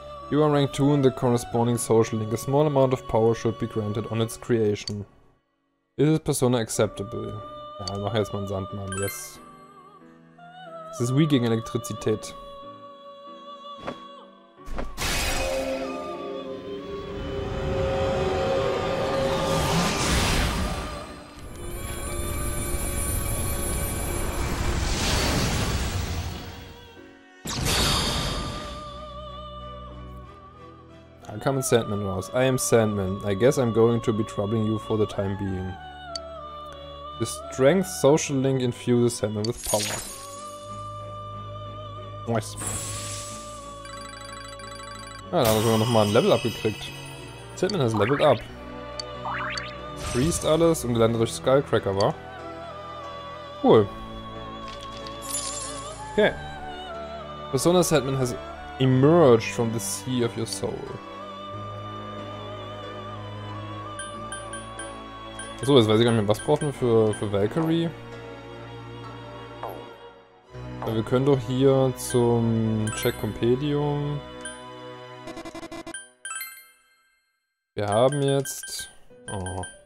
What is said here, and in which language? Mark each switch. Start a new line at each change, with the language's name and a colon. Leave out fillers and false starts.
English: You are rank 2 in the corresponding social link. A small amount of power should be granted on its creation. Is this persona acceptable?
German: Ja, wir machen jetzt mal einen Sandmann, yes. Es ist weak gegen Elektrizität. Kam ein Sandman raus.
English: I am Sandman. I guess I'm going to be troubling you for the time being. The strength social link infuses Sandman with power. Nice.
German: Ja, da haben wir nochmal ein Level abgekriegt.
English: Sandman has leveled up.
German: Freezed alles und gelandet durch Skullcracker, wa? Cool. Okay.
English: Persona Sandman has emerged from the sea of your soul.
German: Achso, jetzt weiß ich gar nicht mehr, was brauchen wir für Valkyrie. Aber wir können doch hier zum Check Compendium. Wir haben jetzt. Oh.